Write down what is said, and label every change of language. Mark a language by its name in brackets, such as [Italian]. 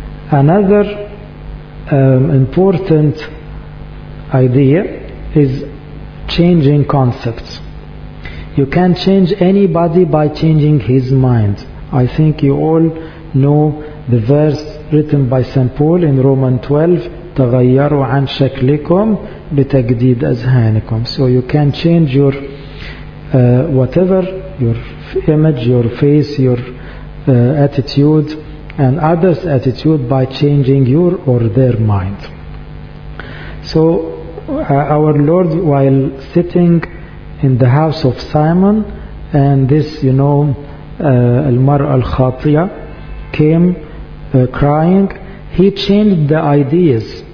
[English] Another important idea is changing concepts. You can change anybody by changing his mind. I think you all know the verse written by St. Paul in Romans 12, [Arabic] تغيروا عن شكلكم بتجديد أذهانكم. [English] So you can change your whatever, your image, your face, your attitude, and others' attitude by changing your or their mind. So our Lord, while sitting in the house of Simon, and this, you know, Al-Mar Al-Khatiyah came crying, he changed the ideas.